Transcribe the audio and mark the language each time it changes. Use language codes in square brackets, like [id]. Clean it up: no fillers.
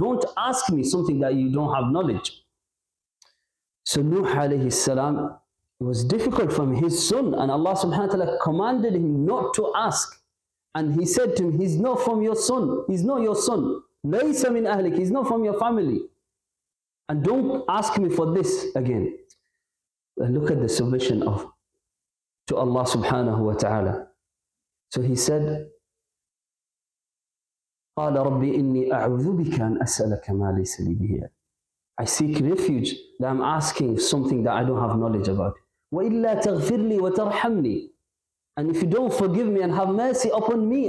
[en] Don't ask me something that you don't have knowledge. So Nuh alayhi salam, it was difficult from his son, and Allah subhanahu wa ta'ala commanded him not to ask. And he said to him, he's not from your son. He's not your son. [ar] لَيْسَ مِنْ أَهْلِكَ. [en] He's not from your family. And don't ask me for this again. And look at the submission of to Allah subhanahu wa ta'ala. So he said, [ar] قال ربي إني أعوذ بك أن أسألك ما ليس لي به. [en] I seek refuge that I'm asking something that I don't have knowledge about. [ar] وإلا تغفر لي وترحمني. [en] And if you don't forgive me and have mercy upon me.